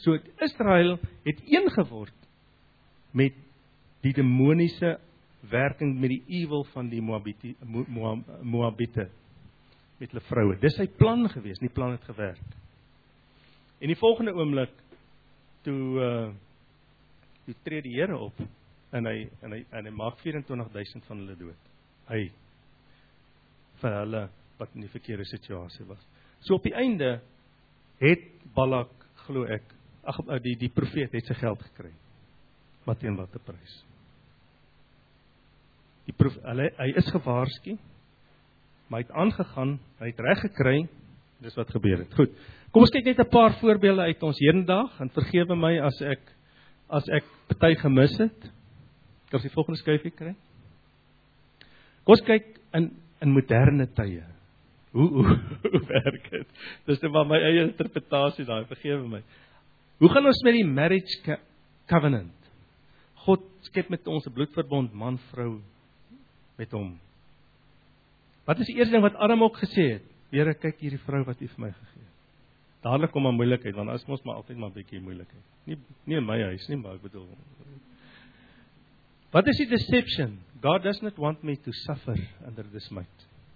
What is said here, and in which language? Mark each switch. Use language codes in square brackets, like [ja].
[af] So, Israel het een geword met die demoniese werking, met die evil van die Moabite, met hulle vrouwe. Dis sy plan gewees, die plan het gewerk. En die volgende oomblik, toe tree die Here op, en hy maak 24.000 van hulle dood. Hy, vir hulle, wat in die verkeerde situasie was. So op die einde, het Balak, glo ek, die profeet het sy geld gekry. Wat en wat die prijs. Hy is gewaarsku, maar hy het aangegaan, hy het reg gekry, dis wat gebeur het. Goed, kom ons kyk net een paar voorbeelde uit ons hedendag, en vergewe my as ek party gemis het, kan ons die volgende skuifie kry? Kom ons kyk in moderne tye, hoe werk het? Dis nou maar my eie interpretatie daar, vergewe my. Hoe gaan ons met die marriage covenant? God skep met ons bloedverbond, man, vrou, met hom. Wat is die eerste ding wat Adam ook gesê het? Here, kyk hier die vrou wat u vir my gegee het. Dadelik kom maar moeilikheid, want as ons maar altyd maar 'n bietjie moeilikheid. Nie in my huis nie, maar ek bedoel. Wat is die deception? [en] God does not want me to suffer under this mate.